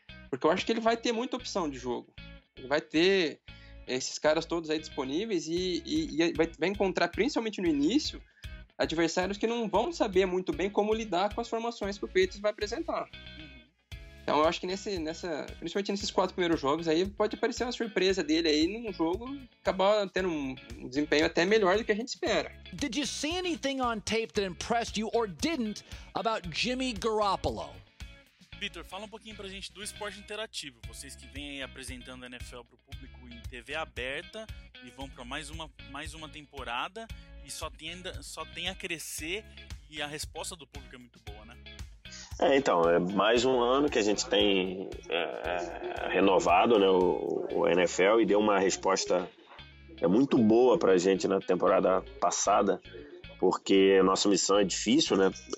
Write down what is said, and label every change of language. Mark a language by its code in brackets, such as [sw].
[pt] Porque eu acho que ele vai ter muita opção de jogo. Ele vai ter esses caras todos aí disponíveis e vai encontrar, principalmente no início, adversários que não vão saber muito bem como lidar com as formações que o Peyton vai apresentar. Então eu acho que principalmente nesses quatro primeiros jogos aí, pode aparecer uma surpresa dele aí num jogo acabar tendo um desempenho até melhor do que a gente espera. [en] Did you see anything on tape that impressed you or didn't about Jimmy Garoppolo? [pt] Vitor, fala um pouquinho pra gente do esporte interativo. Vocês que vêm aí apresentando a NFL pro público em TV aberta e vão pra mais uma temporada e só tem a crescer, e a resposta do público é muito boa, né? É, então, é mais um ano que a gente tem renovado, né, o NFL, e deu uma resposta muito boa para a gente na temporada passada, porque a nossa missão é difícil, né?